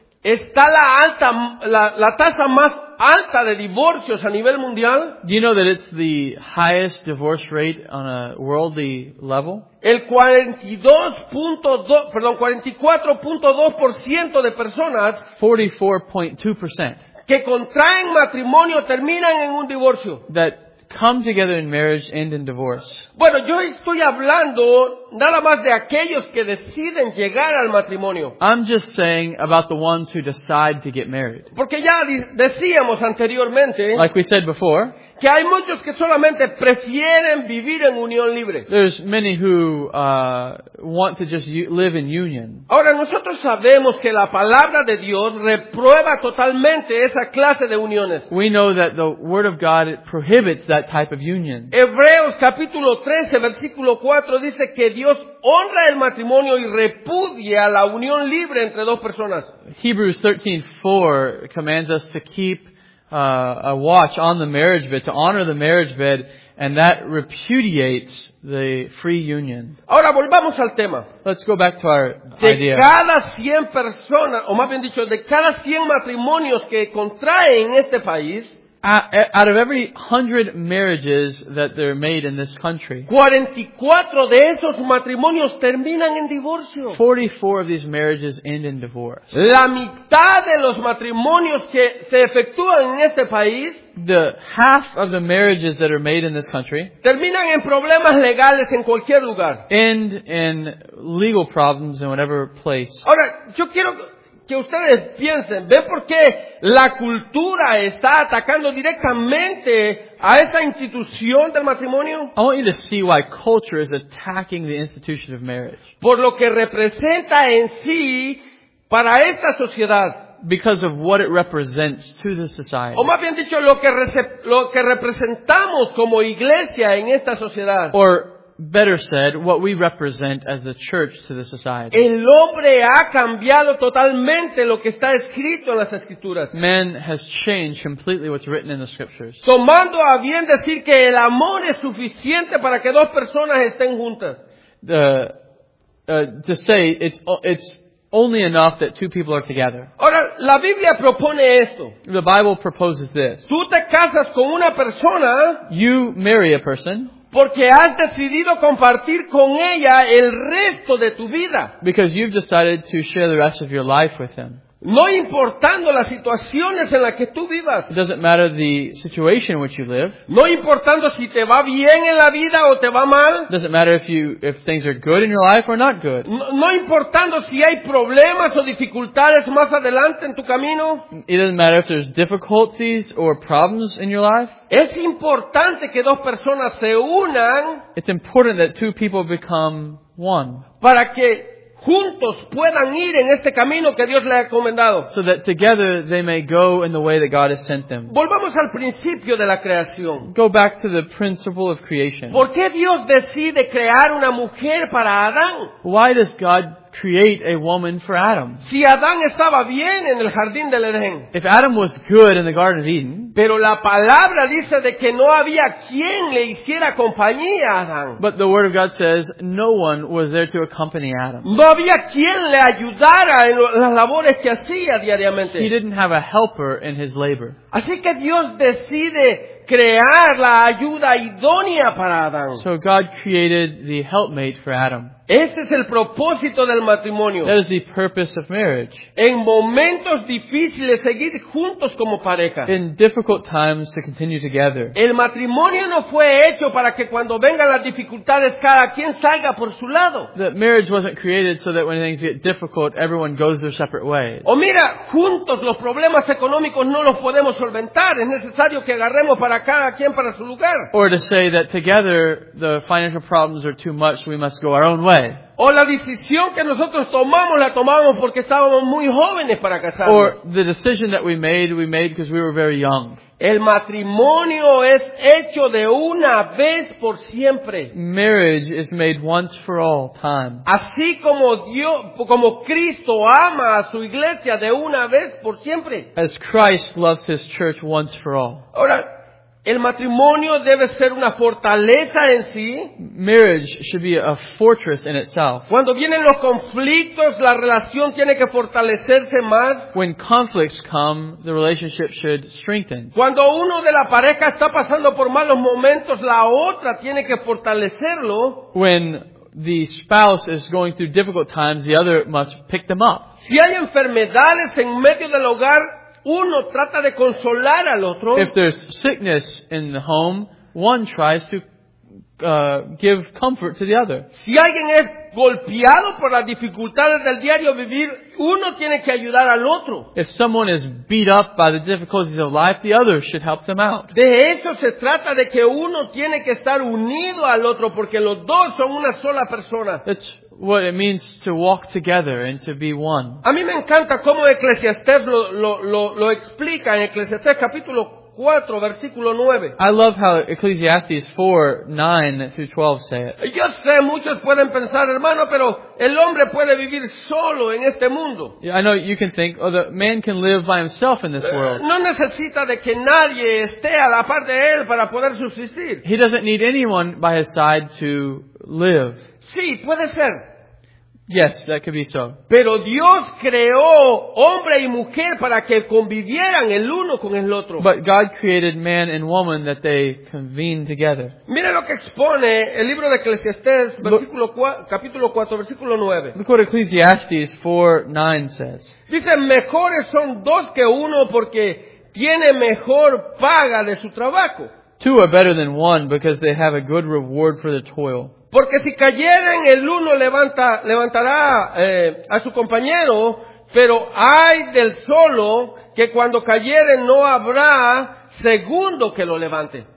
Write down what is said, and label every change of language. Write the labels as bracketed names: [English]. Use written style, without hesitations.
[Spanish] está la tasa más alta de divorcios a nivel mundial? [English] Do you know that it's the highest divorce rate on a worldly level? [Spanish] El 44.2% de personas, [English] 44.2%, [Spanish] que contraen matrimonio terminan en un divorcio. [English] That come together in marriage and in divorce. [Spanish] Bueno, yo estoy hablando nada más de aquellos que deciden llegar al matrimonio. [English] I'm just saying about the ones who decide to get married. [Spanish] Porque ya decíamos anteriormente, [English] like we said before, [Spanish] que hay muchos que solamente prefieren vivir en unión libre. [English] There's many who want to just live in union. [Spanish] Ahora, nosotros sabemos que la palabra de Dios reprueba totalmente esa clase de uniones. [English] We know that the word of God prohibits that type of union. [Spanish] Hebreos capítulo 13 versículo 4 dice que Dios honra el matrimonio y repudia la unión libre entre dos personas. [English] Hebrews 13:4 commands us to keep a watch on the marriage bed, to honor the marriage bed, and that repudiates the free union. [Spanish] Ahora volvamos al tema. [English] Let's go back to our [Spanish] de [English] idea. [Spanish] De cada 100 personas, o más bien dicho, de cada 100 matrimonios que contraen en este país, [English] out of every 100 marriages that they're made in this country, [Spanish] 44 de esos matrimonios terminan en divorcio. [English] 44 of these marriages end in divorce. [Spanish] La mitad de los matrimonios que se efectúan en este país, [English] the half of the marriages that are made in this country, [Spanish] terminan en problemas legales en cualquier lugar. [English] End in legal problems in whatever place. [Spanish] Ahora, yo quiero que ustedes piensen, ¿ve por qué la cultura está atacando directamente a esta institución del matrimonio? [English] I want you to see why culture is attacking the institution of marriage. [Spanish] Por lo que representa en sí para esta sociedad. [English] Because of what it represents to the society. [Spanish] O más bien dicho, lo que representamos como iglesia en esta sociedad. [English] Or better said, what we represent as the church to the society. [Spanish] El hombre ha cambiado totalmente lo que está escrito en las escrituras. [English] Man has changed completely what's written in the scriptures. [Spanish] Tomando a bien decir que el amor es suficiente para que dos personas estén juntas. [English] To say it's only enough that two people are together. [Spanish] Ahora, la Biblia propone esto. [English] The Bible proposes this. [Spanish] Tú te casas con una persona. [English] You marry a person. [Spanish] Porque has decidido compartir con ella el resto de tu vida. [English] Because you've decided to share the rest of your life with him. [Spanish] No importando las situaciones en las que tú vivas. [English] It doesn't matter the situation in which you live. [Spanish] No importando si te va bien en la vida o te va mal. [English] It doesn't matter if things are good in your life or not good. [Spanish] No importando si hay problemas o dificultades más adelante en tu camino. [English] It doesn't matter if there's difficulties or problems in your life. [Spanish] Es importante que dos personas se unan. [English] It's important that two people become one. [Spanish] Para que juntos puedan ir en este camino que Dios le ha encomendado. [English] So that together they may go in the way that God has sent them. [Spanish] Volvamos al principio de la creación. [English] Go back to the principle of creation. [Spanish] ¿Por qué Dios decide crear una mujer para Adán? [English] Why does God create a woman for Adam? [Spanish] Si Adán estaba bien en el jardín del Edén. [English] If Adam was good in the Garden of Eden. [Spanish] Pero la palabra dice de que no había quien le hiciera compañía a Adán. [English] But the word of God says no one was there to accompany Adam. [Spanish] No había quien le ayudara en las labores que hacía diariamente. [English] He didn't have a helper in his labor. [Spanish] Así que Dios decide crear la ayuda idónea para Adán. [English] So God created the helpmate for Adam. [Spanish] Este es el propósito del matrimonio. [English] That is the purpose of marriage. [Spanish] En momentos difíciles seguir juntos como pareja. [English] In difficult times to continue together. [Spanish] El matrimonio no fue hecho para que cuando vengan las dificultades cada quien salga por su lado. [English] The marriage wasn't created so that when things get difficult everyone goes their separate ways. [Spanish] O mira, juntos los problemas económicos no los podemos solventar, es necesario que agarremos para cada quien para su lugar. [English] Or to say that together the financial problems are too much, so we must go our own way. [Spanish] O la decisión que nosotros tomamos la tomamos porque estábamos muy jóvenes para casarnos. [English] Or the decision that we made because we were very young. [Spanish] El matrimonio es hecho de una vez por siempre. [English] Marriage is made once for all time. [Spanish] Así como Dios, como Cristo ama a su iglesia de una vez por siempre. [English] As Christ loves his church once for all. [Spanish] Ahora, el matrimonio debe ser una fortaleza en sí. [English] Marriage should be a fortress in itself. [Spanish] Cuando vienen los conflictos, la relación tiene que fortalecerse más. [English] When conflicts come, the relationship should strengthen. [Spanish] Cuando uno de la pareja está pasando por malos momentos, la otra tiene que fortalecerlo. [English] When the spouse is going through difficult times, the other must pick them up. [Spanish] Si hay enfermedades en medio del hogar, uno trata de consolar al otro. [English] If there's sickness in the home, one tries to give comfort to the other. [Spanish] Si alguien es golpeado por las dificultades del diario vivir, uno tiene que ayudar al otro. [English] If someone is beat up by the difficulties of life, the other should help them out. [Spanish] De eso se trata, de que uno tiene que estar unido al otro porque los dos son una sola persona. [English] It's what it means to walk together and to be one. [Spanish] A mí me encanta cómo Eclesiastés lo explica en Eclesiastés capítulo 4, versículo 9. [English] I love how Ecclesiastes 4, 9 through 12 say it. [Spanish] Yo sé, muchos pueden pensar, hermano, pero el hombre puede vivir solo en este mundo. [English] Yeah, I know you can think, oh, the man can live by himself in this world. [Spanish] No necesita de que nadie esté a la par de él para poder subsistir. [English] He doesn't need anyone by his side to live. [Spanish] Sí, puede ser. [English] Yes, that could be so. [Spanish] Pero Dios creó hombre y mujer para que convivieran el uno con el otro. [English] But God created man and woman that they convene together. [Spanish] Mira lo que expone el libro de Eclesiastés, versículo 4, capítulo 4, versículo 9. [English] Look what Ecclesiastes 4, 9 says. [Spanish] Dice, mejores son dos que uno porque tiene mejor paga de su trabajo. [English] Two are better than one because they have a good reward for the toil. [Spanish] Porque si cayeren, el uno levantará a su compañero, pero ay del solo, que cuando cayeren no habrá segundo que lo levante.